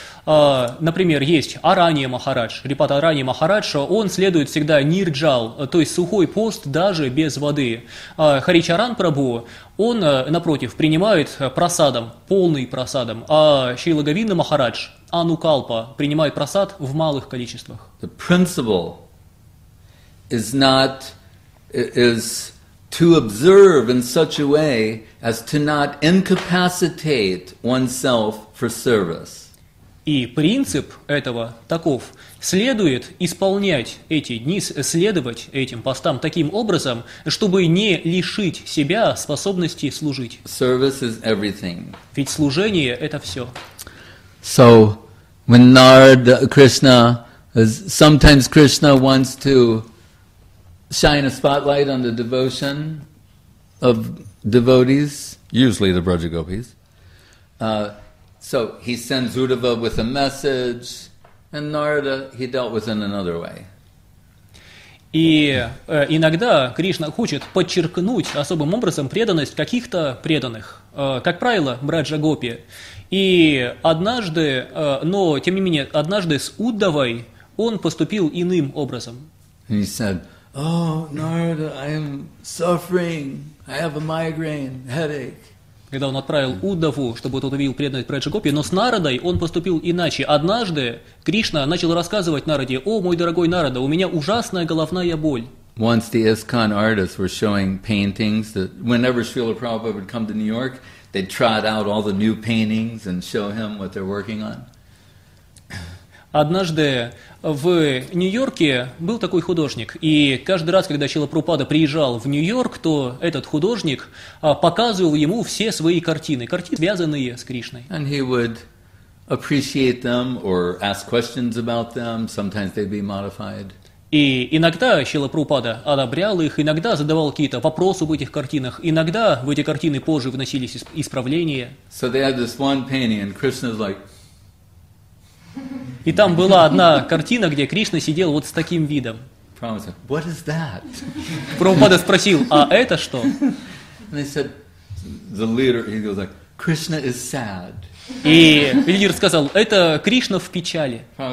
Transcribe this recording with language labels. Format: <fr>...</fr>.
<ru>Например, есть Аранья Махарадж, Рипат Аранья Махарадж, он следует всегда нирджал, то есть сухой пост даже без воды. Хари Чаран Прабху, он, напротив, принимает прасадом, полный прасадом, а Шрила Говинда Махарадж, Анукалпа, принимает прасад в малых количествах.</ru> <en>The principle is to observe in such a way as to not incapacitate oneself for service.</en> <ru>И принцип этого таков. Следует исполнять эти дни, следовать этим постам таким образом, чтобы не лишить себя способности служить.</ru> <en>Service is everything.</en> <ru>Ведь служение – это все.</ru> <en>So, when Narada Krishna, sometimes Krishna wants to shine a spotlight on the devotion of devotees, usually the Braja Gopis, so he sends Uddhava with a message, and Narada he dealt with in another way.</en> <ru>И иногда Кришна хочет подчеркнуть особым образом преданность каких-то преданных, как правило, Браджа-гопи. И однажды, но тем не менее, однажды с Уддавой он поступил иным образом.</ru> <en>He said, oh, Narada, I am suffering, I have a migraine, headache.</en> <ru>Когда он отправил Уддаву, чтобы тот увидел преданность Браджа-гопи, но с Нарадой он поступил иначе. Однажды Кришна начал рассказывать Нараде, «О, мой дорогой Нарада, у меня ужасная головная боль».</ru> <en>Once the ISKCON artists were showing paintings, that whenever Srila Prabhupada would come to New York, they'd trot out all the new paintings and show him what they're working on.</en> <ru>Однажды в Нью-Йорке был такой художник, и каждый раз, когда Шрила Прабхупада приезжал в Нью-Йорк, то этот художник показывал ему все свои картины, картины, связанные с Кришной.</ru> <en>And he would appreciate them or ask questions about them. Sometimes they'd be modified.</en> <ru>И иногда Шрила Прабхупада одобрял их, иногда задавал какие-то вопросы в этих картинах, иногда в эти картины позже вносились исправления.</ru> <en>So they had this one painting, and Krishna's like,</en> <ru>и там была одна картина, где Кришна сидел вот с таким видом.</ru> <en>What is that?</en> <ru>Прабхупада спросил, а это что?</ru> <en>And they said, the leader, he goes like, Krishna is sad.</en> <ru>И лидер сказал, это Кришна в печали.</ru>